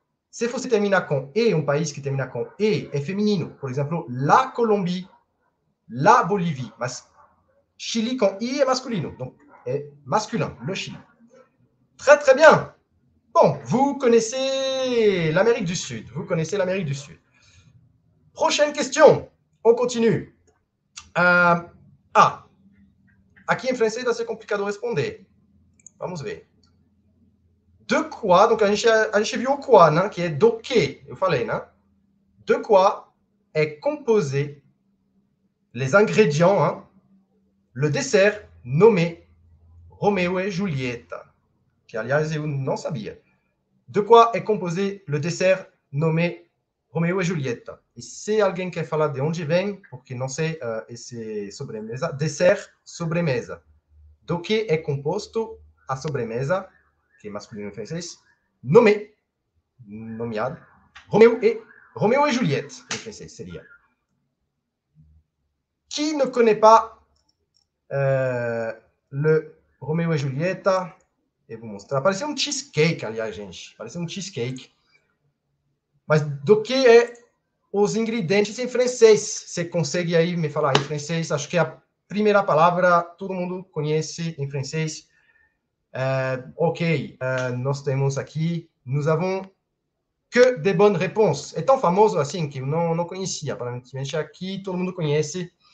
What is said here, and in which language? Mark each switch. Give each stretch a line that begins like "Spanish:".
Portuguese: Se você termina com E, um país que termina com E, é feminino. Por exemplo, la Colombie, la Bolivie. Mas. Chili com I é masculino, donc é masculin, le Chili.
French: Très, très bien. Bom, vous connaissez l'Amérique du Sud. Vous connaissez l'Amérique du Sud. Prochaine question. On continue.
Portuguese: Aqui em francês, vai ser complicado responder. Vamos ver.
French: De quoi,
Portuguese: donc a gente viu o quoi, né? Que é do quê, eu falei, né?
French: De quoi est composé les ingrédients, hein? Le dessert nommé Roméo et Juliette,
Portuguese: qui aliás eu não sabia.
French: De quoi est composé le dessert nommé Roméo et Juliette? Et si quelqu'un
Portuguese: quer falar de onde vem, porque não sei, esse sobremesa, dessert sobremesa. Do que é composto a sobremesa, que é masculino em francês, nommé, nomeado, Roméo et Juliette, em francês, seria.
French: Qui ne connaît pas le Roméo et Juliette? Et vous montrer.
Portuguese: Parece um cheesecake, aliás, gente. Parece um cheesecake. Mas do que é os ingredientes em francês? Você consegue aí me falar em francês? Acho que é a primeira palavra todo mundo conhece em francês. Ok, nós temos aqui.
French: Nous avons que de bonnes réponses.
Portuguese: É tão famoso assim que eu não conhecia. Aparentemente aqui todo mundo conhece.